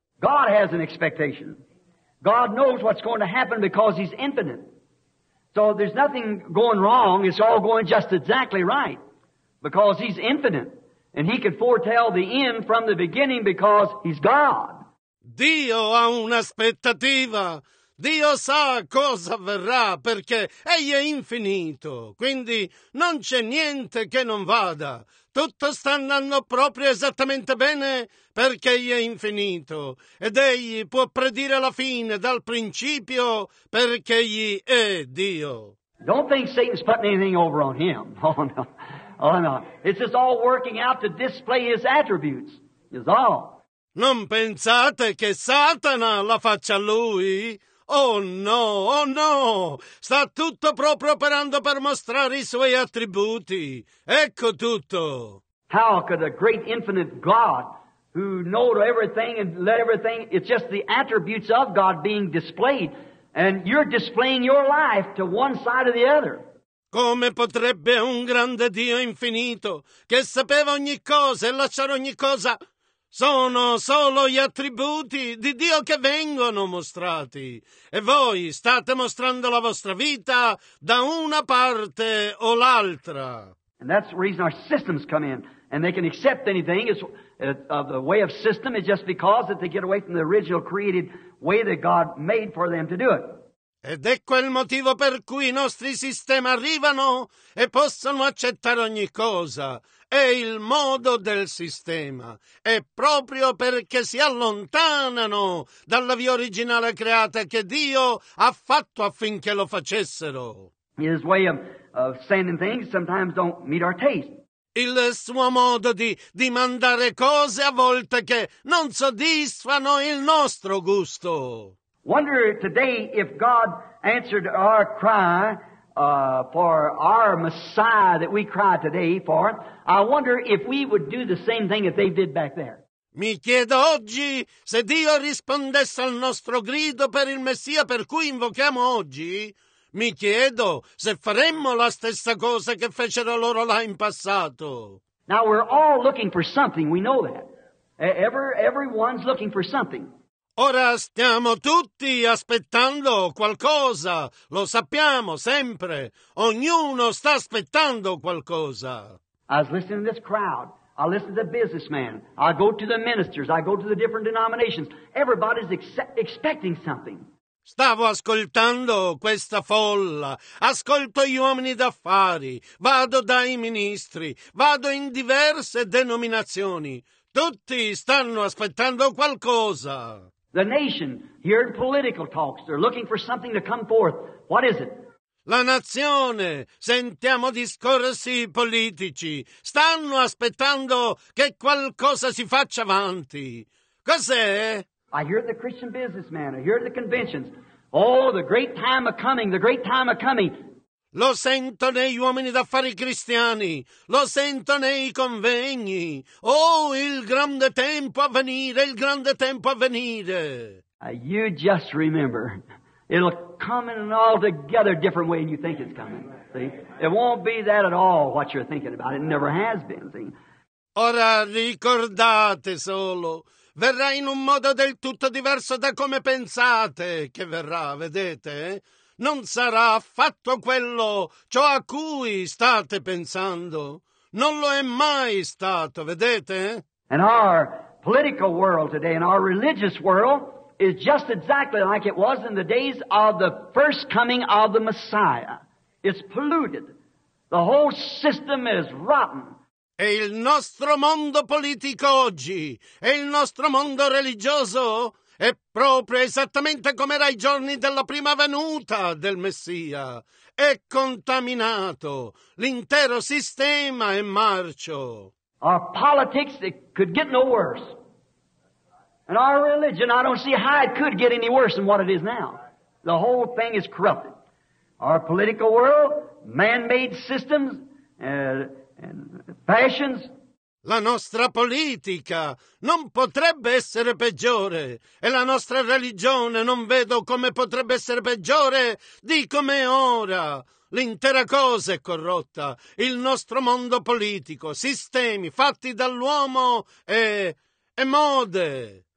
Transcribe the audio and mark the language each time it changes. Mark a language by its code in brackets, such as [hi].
[en] God has an expectation. God knows what's going to happen because He's infinite. So there's nothing going wrong, it's all going just exactly right, because He's infinite. And He can foretell the end from the beginning because He's God. [it] Dio ha un'aspettativa. Dio sa cosa avverrà perché Egli è infinito. Quindi non c'è niente che non vada. Tutto sta andando proprio esattamente bene perché Egli è infinito. Ed Egli può predire la fine dal principio perché Egli è Dio. [en] Don't think Satan's putting anything over on him. Oh no. Oh no, it's just all working out to display his attributes, is all. [it] Non pensate che Satana la faccia a lui? Oh no, sta tutto proprio operando per mostrare i suoi attributi. Ecco tutto. [en] How could a great infinite God, who knows everything and let everything, it's just the attributes of God being displayed, and you're displaying your life to one side or the other. [it] Come potrebbe un grande Dio infinito, che sapeva ogni cosa e lasciare ogni cosa, sono solo gli attributi di Dio che vengono mostrati, e voi state mostrando la vostra vita da una parte o l'altra. [en] And that's the reason our systems come in, and they can accept anything of the way of system, is just because that they get away from the original created way that God made for them to do it. [it] Ed ecco il motivo per cui i nostri sistemi arrivano e possono accettare ogni cosa. È il modo del sistema. È proprio perché si allontanano dalla via originale creata che Dio ha fatto affinché lo facessero. [en] His way of sending things sometimes don't meet our taste. [it] Il suo modo di mandare cose a volte che non soddisfano il nostro gusto. [en] Wonder today if God answered our cry for our Messiah that we cry today for. I wonder if we would do the same thing that they did back there. [it] Mi chiedo oggi se Dio rispondesse al nostro grido per il Messia per cui invochiamo oggi. Mi chiedo se faremmo la stessa cosa che fecero loro là in passato. [en] Now we're all looking for something, we know that. Everyone's looking for something. [it] Ora stiamo tutti aspettando qualcosa, lo sappiamo sempre, ognuno sta aspettando qualcosa. [en] I was listening to this crowd, I listen to the businessman, I go to the ministers, I go to the different denominations, everybody's expecting something. [it] Stavo ascoltando questa folla, ascolto gli uomini d'affari, vado dai ministri, vado in diverse denominazioni, tutti stanno aspettando qualcosa. [en] The nation, here in political talks, they're looking for something to come forth. What is it? [it] La nazione, sentiamo discorsi politici, stanno aspettando che qualcosa si faccia avanti. Cos'è? [en] I hear the Christian businessman, I hear the conventions. Oh, the great time of coming, the great time of coming. [it] Lo sento negli uomini d'affari cristiani, lo sento nei convegni. Oh, il grande tempo a venire, il grande tempo a venire. [en] You just remember, it'll come in an altogether different way than you think it's coming. See, it won't be that at all what you're thinking about. It never has been. See? [it] Ora ricordate solo, verrà in un modo del tutto diverso da come pensate che verrà, vedete? Non sarà affatto quello ciò a cui state pensando. Non lo è mai stato, vedete? [en] And our political world today, and our religious world, is just exactly like it was in the days of the first coming of the Messiah. It's polluted. The whole system is rotten. [it] E il nostro mondo politico oggi, e il nostro mondo religioso, è proprio esattamente come era ai giorni della prima venuta del Messia. È contaminato. L'intero sistema è marcio. [en] Our politics, it could get no worse. And our religion, I don't see how it could get any worse than what it is now. The whole thing is corrupted. Our political world, man-made systems, and fashions. [it] La nostra politica non potrebbe essere peggiore. E la nostra religione non vedo come potrebbe essere peggiore di come è ora. L'intera cosa è corrotta. Il nostro mondo politico, sistemi fatti dall'uomo e mode.